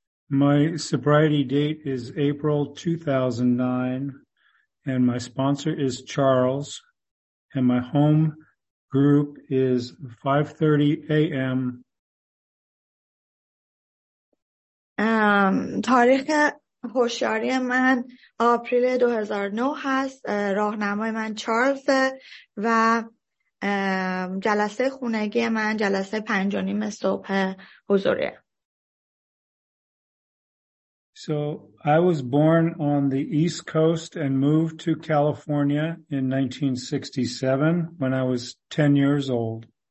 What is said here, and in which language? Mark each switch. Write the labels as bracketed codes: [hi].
[en] My sobriety date is April 2009 and my sponsor is Charles and my home group is 5:30 a.m. [fa] تاریخ هوشیاری من آپریل 2009 هست. راهنمای من چارلز و جلسه خونگی من جلسه 5:30 صبح حضوریه. [en] So I was born on the East Coast and moved to California in 1967 when I was 10 years old.